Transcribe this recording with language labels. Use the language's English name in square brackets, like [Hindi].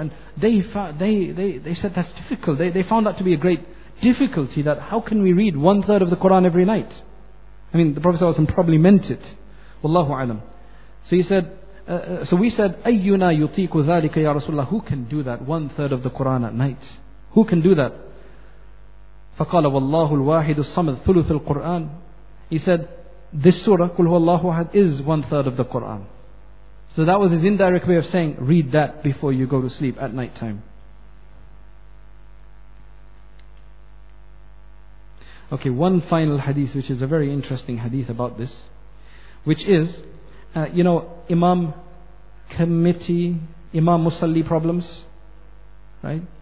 [English] And they said that's difficult. They found that to be a great difficulty, that how can we read 1/3 of the Quran every night? I mean, the Prophet ﷺ probably meant it. Wallahu alam. So he said, So we said, [Arabic] أَيُّنَا يُطِيكُ ذَلِكَ يَا رَسُولَ اللَّهِ. [English] Who can do that 1/3 of the Quran at night? Who can do that? [Arabic] فَقَالَ وَاللَّهُ الْوَاحِدُ الصَّمَدُ ثُلُثُ الْقُرْآنِ. [English] He said, this surah, Qul Huwallahu Ahad, is one third of the Quran. So that was his indirect way of saying, read that before you go to sleep at night time. Okay, one final hadith, which is a very interesting hadith about this, which is, you know, Imam committee, Imam Musalli problems, right?